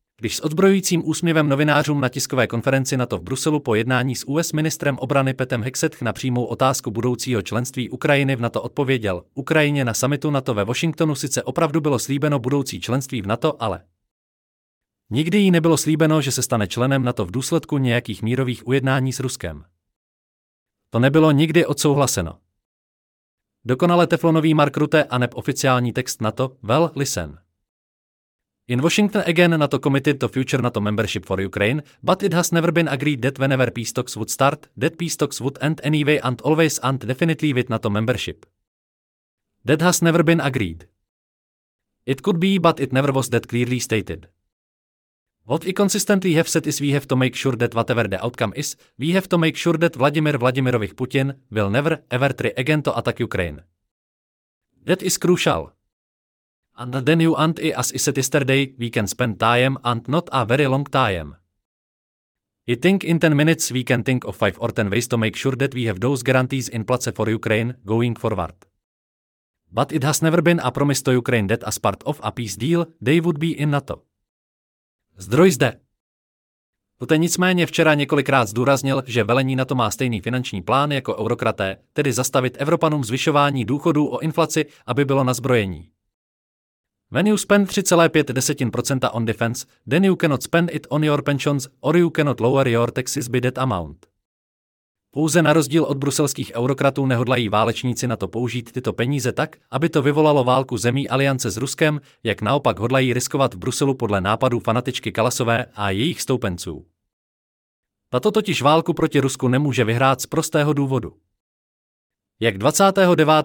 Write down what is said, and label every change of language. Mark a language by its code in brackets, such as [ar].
[cs] Když s odbrojujícím úsměvem novinářům na tiskové konferenci NATO v Bruselu po jednání s US ministrem obrany Petem Hexeth na přímou otázku budoucího členství Ukrajiny v NATO odpověděl, Ukrajině na summitu NATO ve Washingtonu sice opravdu bylo slíbeno budoucí členství v NATO, ale nikdy jí nebylo slíbeno, že se stane členem NATO v důsledku nějakých mírových ujednání s Ruskem. To nebylo nikdy odsouhlaseno. Dokonale teflonový Mark Rutte a neb oficiální text NATO, [en] well, listen. In Washington again NATO committed to future NATO membership for Ukraine, but it has never been agreed that whenever peace talks would start, that peace talks would end anyway and always and definitely with NATO membership. That has never been agreed. It could be, but it never was that clearly stated. What we consistently have said is we have to make sure that whatever the outcome is, we have to make sure that Vladimir Vladimirovich Putin will never ever try again to attack Ukraine. That is crucial. And then you and I, as I said yesterday, we can spend time and not a very long time. I think in 10 minutes we can think of 5 or 10 ways to make sure that we have those guarantees in place for Ukraine going forward. But it has never been a promise to Ukraine that as part of a peace deal, they would be in NATO. [cs] Zdroj zde. Rutte nicméně včera několikrát zdůraznil, že velení NATO má stejný finanční plán jako eurokraté, tedy zastavit Evropanům zvyšování důchodů o inflaci, aby bylo na zbrojení. [en] When you spend 3,5% on defense, then you cannot spend it on your pensions or you cannot lower your taxes by that amount. [cs] Pouze na rozdíl od bruselských eurokratů nehodlají válečníci na to použít tyto peníze tak, aby to vyvolalo válku zemí aliance s Ruskem, jak naopak hodlají riskovat v Bruselu podle nápadů fanatičky Kallasové a jejich stoupenců. Tato totiž válku proti Rusku nemůže vyhrát z prostého důvodu. Jak 29.